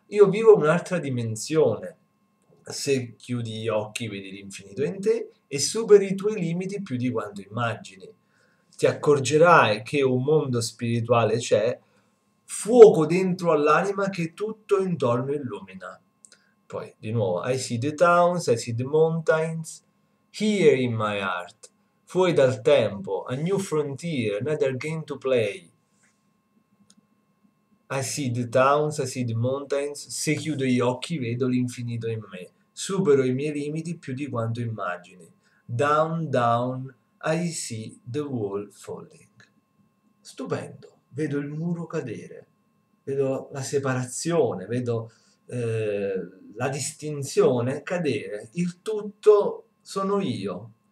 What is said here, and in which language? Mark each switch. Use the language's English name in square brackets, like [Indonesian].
[Italian] Io vivo un'altra dimensione. Se chiudi gli occhi, vedi l'infinito in te e superi i tuoi limiti più di quanto immagini. Ti accorgerai che un mondo spirituale c'è, fuoco dentro all'anima che tutto intorno illumina. Poi, di nuovo, [English] I see the towns, I see the mountains, here in my heart. [Italian] Fuori dal tempo, [English] a new frontier, another game to play. I see the towns, I see the mountains. [Italian] Se chiudo gli occhi, vedo l'infinito in me. Supero i miei limiti più di quanto immagini. [English] Down, down, I see the wall falling. [Italian] Stupendo, vedo il muro cadere, vedo la separazione, vedo la distinzione cadere. Il tutto sono io.